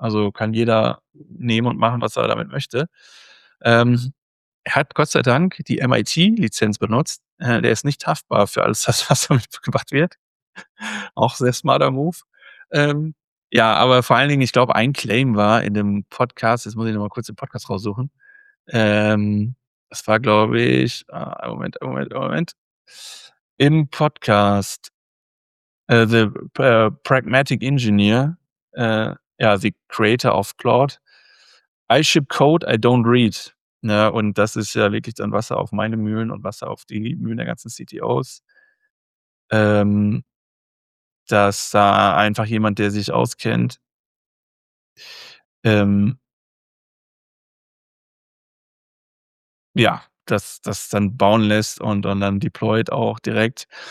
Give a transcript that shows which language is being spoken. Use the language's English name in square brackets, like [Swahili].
[German] Also kann jeder nehmen und machen, was er damit möchte. Er hat Gott sei Dank die MIT-Lizenz benutzt. Der ist nicht haftbar für alles das, was damit gemacht wird. Auch sehr smarter Move. Aber vor allen Dingen, ich glaube, ein Claim war in dem Podcast, jetzt muss ich nochmal kurz den Podcast raussuchen. Das war, glaube ich, Moment. Im Podcast [English] The Pragmatic Engineer, The Creator of Claude. I ship code, I don't read. [German] Ja, und das ist ja wirklich dann Wasser auf meine Mühlen und Wasser auf die Mühlen der ganzen CTOs. Dass da einfach jemand, der sich auskennt, das dann bauen lässt und dann deployt auch direkt.